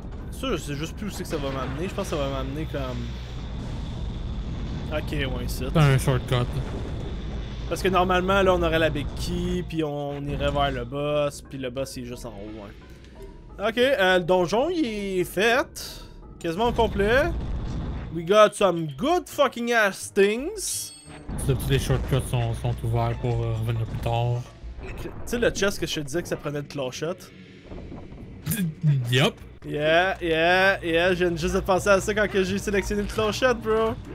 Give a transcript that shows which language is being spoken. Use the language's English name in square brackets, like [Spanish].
[French] Ça, je sais juste plus où c'est que ça va m'amener. Je pense que ça va m'amener comme... Ok, ouais, ici. T'as un shortcut. Parce que normalement, là, on aurait la big key, puis on irait vers le boss, puis le boss, il est juste en haut, hein. Ok, le donjon il est fait. Quasiment complet. [English] We got some good fucking ass things. [French] Tous les shortcuts sont ouverts pour revenir plus tard. Tu sais le chest que je te disais que ça prenait de clochette? [English] Yup. Yeah. [French] J'ai juste pensé à ça quand j'ai sélectionné le clochette, bro.